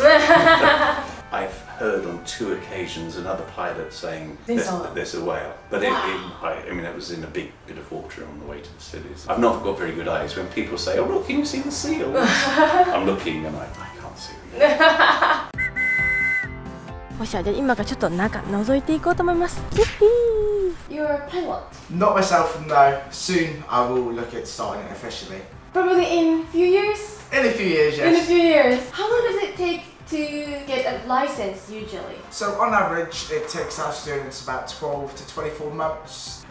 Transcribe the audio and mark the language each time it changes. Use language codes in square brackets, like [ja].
[en] I've heard on two occasions another pilot saying there's a whale, but I mean it was in a big bit of water on the way to the cities. I've not got very good eyes. When people say, "Oh, look, can you see the seals?" I'm looking and I can't see them. [ja] もしあれ今からちょっと中覗いていこうと思います。ヒッヒー。 [en] You're a pilot? Not myself, no. Soon I will look at starting it officially. Probably in a few years? In a few years, yes. In a few years. How long does it take to get a license usually? So on average it takes our students about 12 to 24 months.